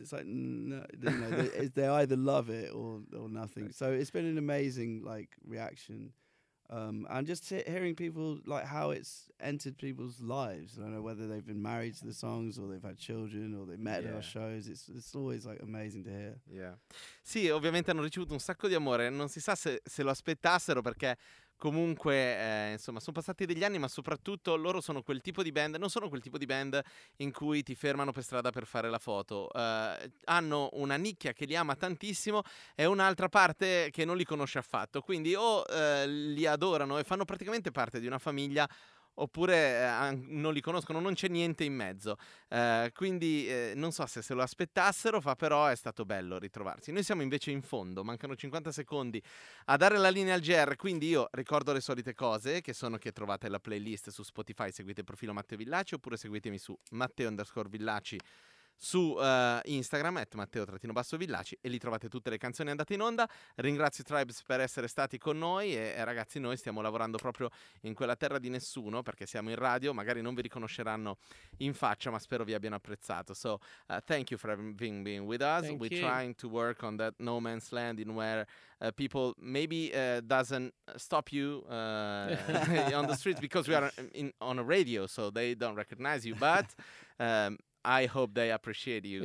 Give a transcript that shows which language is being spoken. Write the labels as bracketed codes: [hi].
[en] It's like no, they either love it or nothing. So it's been an amazing like reaction, and just hearing people like how it's entered people's lives. I don't know whether they've been married to the songs or they've had children or they met at our shows. It's always like amazing to hear. Yeah. [it] Sì, ovviamente hanno ricevuto un sacco di amore, non si sa se lo aspettassero, perché comunque insomma sono passati degli anni, ma soprattutto loro sono quel tipo di band, non sono quel tipo di band in cui ti fermano per strada per fare la foto, hanno una nicchia che li ama tantissimo e un'altra parte che non li conosce affatto, quindi o li adorano e fanno praticamente parte di una famiglia, oppure non li conoscono, non c'è niente in mezzo, quindi non so se lo aspettassero, però è stato bello ritrovarsi. Noi siamo invece in fondo, mancano 50 secondi a dare la linea al GR, quindi io ricordo le solite cose, che sono che trovate la playlist su Spotify, seguite il profilo Matteo Villaci, oppure seguitemi su Matteo_Villaci su Instagram, @Matteo_Villaci, e lì trovate tutte le canzoni andate in onda. Ringrazio Tribes per essere stati con noi, e ragazzi, noi stiamo lavorando proprio in quella terra di nessuno, perché siamo in radio, magari non vi riconosceranno in faccia, ma spero vi abbiano apprezzato. [en] So thank you for having been with us. Thank We're you. Trying to work on that no man's land in where people maybe doesn't stop you on the street because we are on a radio, so they don't recognize you, but I hope they appreciate you.